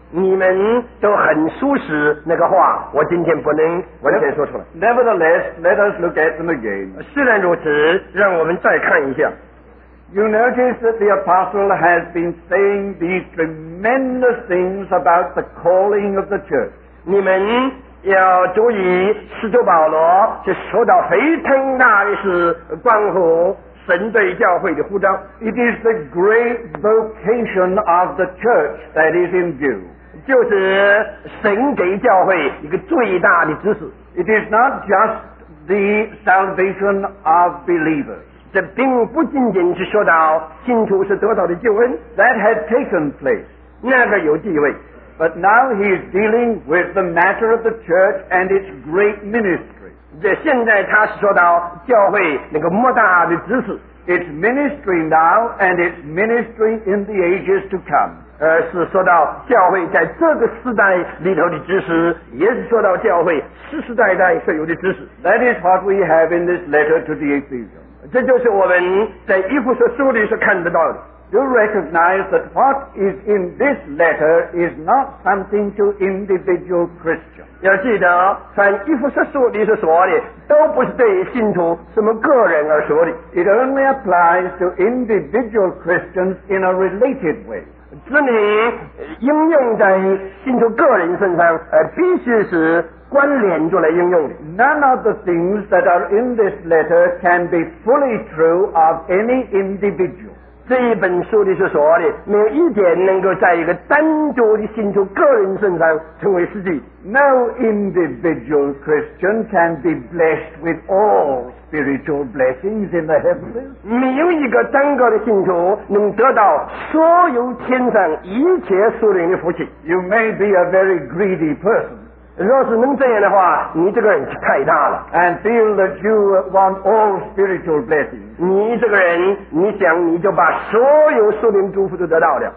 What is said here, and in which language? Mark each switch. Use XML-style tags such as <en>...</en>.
<zh>你们都很熟识那个话，我今天不能完全说出来。</zh> <en>Nevertheless, let us look at them again.</en> <zh>虽然如此，让我们再看一下。</zh> <en>You notice that the apostle has been saying these tremendous things about the calling of the church.</en> <zh>你们要注意，使徒保罗是说到非常大的事，关乎神对教会的呼召。</zh> <en>It is the great vocation of the church that is in view.</en> <zh>就是神给教会一个最大的指示。</zh> <en>It is not just the salvation of believers.</en> <zh>这并不仅仅是说到信徒是得到的救恩。</zh> <en>That had taken place.</en> <zh>那个有地位。</zh> <en>But now he is dealing with the matter of the church and its great ministry.</en> <zh>现在他说到教会那个莫大的职事</zh> <en>It's ministry now and it's ministry in the ages to come</en> <zh>是说到教会在这个时代里头的职事也是说到教会世世代代所有的职事</zh> <en>That is what we have in this letter to the Ephesians</en> <zh>这就是我们在以弗所书里所看得到的</zh> <en>You recognize that what is in this letter is not something to individual Christians</en> <zh>要记得凡以弗所书里所说的都不是对信徒什么个人而说的</zh> <en>It only applies to individual Christians in a related way</en> <zh>这里应用在信徒个人身上必须是关联着来应用的</zh> <en>None of the things that are in this letter can be fully true of any individual</en> <zh>这一本书里所说的没有一点能够在一个单独的信徒个人身上成为实际</zh> <en>No individual Christian can be blessed with all spiritual blessings in the heavens</en> <zh>没有一个单个的信徒能得到所有天上一切属灵的福气</zh> <en>You may be a very greedy person</en> <zh>若是能这样的话你这个人太大了</zh> <en>And feel that you want all spiritual blessings</en> <zh>你这个人你想你就把所有属灵祝福都得到了</zh>